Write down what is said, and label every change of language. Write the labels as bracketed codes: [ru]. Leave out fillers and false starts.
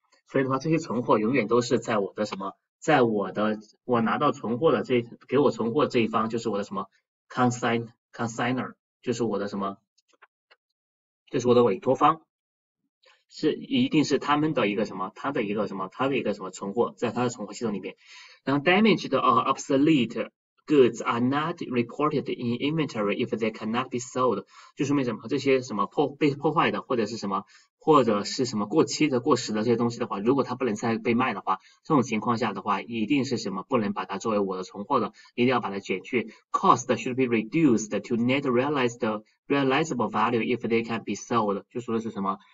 [zh] 所以的话，这些存货永远都是在我的什么，在我的我拿到存货的这给我存货这一方，就是我的什么 consignor，就是我的什么，就是我的委托方，是一定是他们的一个什么，他的一个什么，他的一个什么存货，在他的存货系统里面。然后 [en] damaged or obsolete goods are not reported in inventory if they cannot be sold， [zh] 就说明什么？这些什么被破坏的或者是什么？或者是什么过期的、过时的这些东西的话，如果它不能再被卖的话，这种情况下的话，一定是什么不能把它作为我的存货的，一定要把它减去。 [en] Cost should be reduced to net realizable value if they can be sold。 [zh] 就说的是什么？